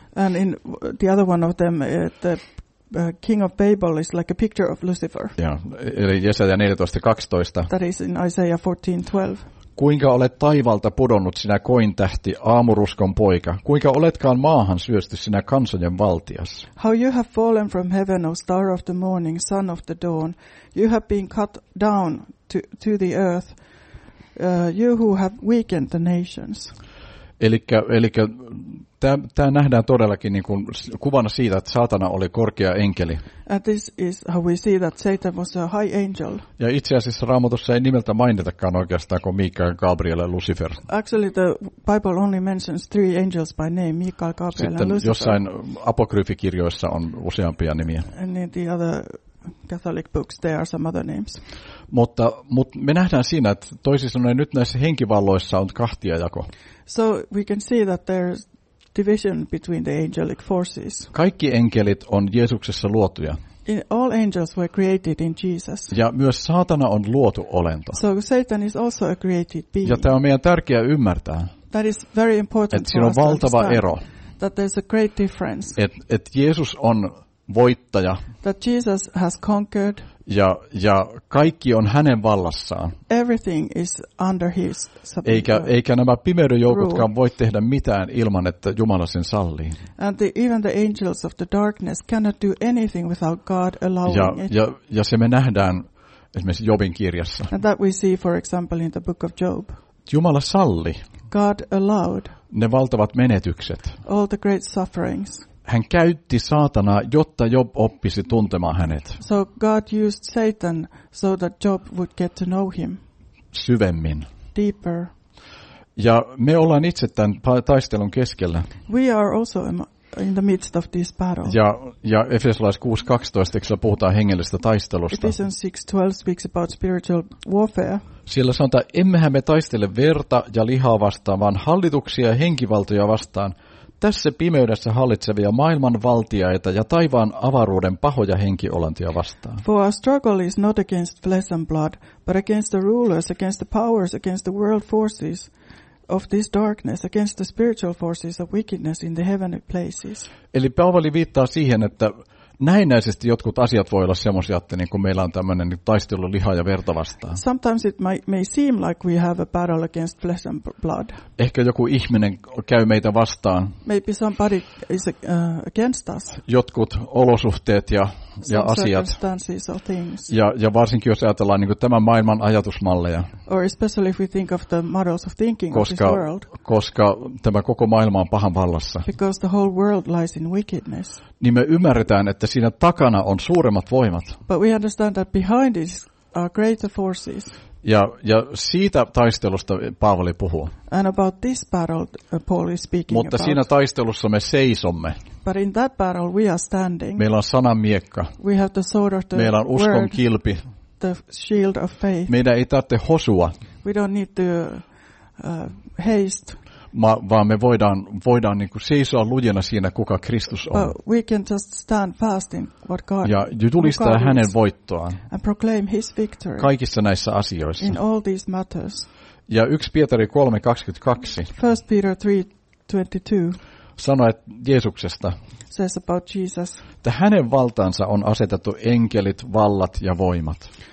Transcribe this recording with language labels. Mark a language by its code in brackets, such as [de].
[en] And in the other one of them, the king of Babel is like a picture of Lucifer. [fi] Ja, eli Jesaja 14:12. [en] That is in Isaiah 14:12. [fi] Kuinka olet taivalta pudonnut sinä kointähti, aamuruskon poika? Kuinka oletkaan maahan syösty sinä kansojen valtias? [en] How you have fallen from heaven, O star of the morning, son of the dawn. You have been cut down to the earth, you who have weakened the nations. [fi] Elikkä tämä nähdään todellakin niin kuin kuvana siitä, että saatana oli korkea enkeli. [en] And this is how we see that Satan was a high angel. [fi] Ja itse asiassa Raamatussa ei nimeltä mainitakaan oikeastaan kuin Mikael, Gabriel ja Lucifer. [en] Actually the Bible only mentions three angels by name, Mikael, Gabriel [fi] Sitten [en] and Lucifer. [fi] Jossain apokryfikirjoissa on useampia nimiä. [en] And in the other Catholic books there are some other names. [fi] Mutta me nähdään siinä, että toisin sanoen nyt näissä henkivalloissa on kahtia jako. [en] So we can see that there's division between the angelic forces. [fi] Kaikki enkelit on Jeesuksessa luotuja. [en] All angels were created in Jesus. [fi] Ja myös saatana on luotu olento. [en] So Satan is also a created being. [fi] Ja tämä on meidän tärkeä ymmärtää. [en] That is very important. [fi] Siinä on valtava ero. [en] That there's a great difference. [fi] Et Jeesus on voittaja. [en] That Jesus has conquered. [fi] Ja kaikki on hänen vallassaan. [en] Everything is under his subject. [fi] Eikä nämä pimeyden joukotkaan voi tehdä mitään ilman, että Jumala sen sallii. [en] And even the angels of the darkness cannot do anything without God allowing [fi] ja, [en] it. [fi] Ja se me nähdään esimerkiksi Jobin kirjassa. [en] And that we see for example in the book of Job. [fi] Jumala salli. [en] God allowed. [fi] Ne valtavat menetykset. [en] All the great sufferings. [fi] Hän käytti saatanaa, jotta Job oppisi tuntemaan hänet. [en] So God used Satan so that Job would get to know him. [fi] Syvemmin. [en] Deeper. [fi] Ja me ollaan itse tämän taistelun keskellä. [en] We are also in the midst of this battle. [fi] Ja Efesolais 6:12 puhutaan hengellisestä taistelusta. [en] Ephesians 6:12 speaks about spiritual warfare. [fi] Siellä sanotaan, emmehän me taistele verta ja lihaa vastaan, vaan hallituksia ja henkivaltoja vastaan. Tässä pimeydessä hallitsevia maailmanvaltiaita ja taivaan avaruuden pahoja henkiolentoja vastaan. [en] For our struggle is not against flesh and blood, but against the rulers, against the powers, against the world forces of this darkness, against the spiritual forces of wickedness in the heavenly places. [fi] Eli Paavali viittaa siihen, että näennäisesti jotkut asiat voi olla semmoisia, että niin kuin meillä on tämmöinen taistelu lihaa ja verta vastaan. [en] Sometimes it may seem like we have a battle against flesh and blood. [fi] Ehkä joku ihminen käy meitä vastaan. [en] Maybe somebody is against us. [fi] Jotkut olosuhteet ja asiat. [en] Circumstances or things. [fi] Ja varsinkin jos ajatellaan niin kuin tämän maailman ajatusmalleja. [en] Or especially if we think of the models of thinking of this world. [fi] Koska tämä koko maailma on pahan vallassa. [en] Because the whole world lies in wickedness. [fi] Niin me ymmärretään, että siinä takana on suuremmat voimat. [en] But we understand that behind it are greater forces. [fi] Ja siitä taistelusta Paavali puhuu. [en] And about this battle Paul is speaking. [fi] Mutta [en] about. [fi] Siinä taistelussa me seisomme. [en] But in that battle we are standing. [fi] Meillä on sanan miekka. [en] We have the sword of the [fi] Meillä on uskon [en] word, [fi] kilpi. [en] The shield of faith. [fi] Meidän ei tarvitse hosua. [en] We don't need to haste. [fi] Vaan me voidaan niin kuin seisoa lujena siinä, kuka Kristus on. [en] But we can just stand fast in what God, [fi] ja julistaa [en] God [fi] hänen voittoaan. [en] And proclaim his victory. [fi] Kaikissa näissä asioissa. [en] In all these matters. [fi] Ja 1 Pietari 3:22. [en] 1 Peter 3:22. [fi] Sanoi Jeesuksesta. [en] Says about Jesus. [fi] Että hänen valtaansa on asetettu enkelit, vallat ja voimat.